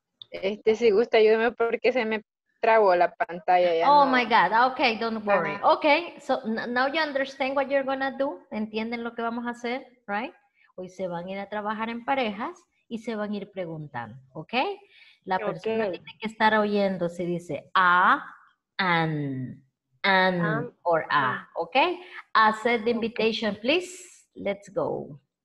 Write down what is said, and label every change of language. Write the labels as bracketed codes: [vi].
[es] Este si gusta, ayúdame porque se me trabó la pantalla. Ya oh no. [en] My God, okay, don't worry. Uh-huh. Okay, so now you understand what you're gonna do. [es] Entienden lo que vamos a hacer, right? Hoy se van a ir a trabajar en parejas y se van a ir preguntando, okay? La persona okay. tiene que estar oyendo si dice a, and. [en] An or a, okay? Accept the invitation, please. Let's go.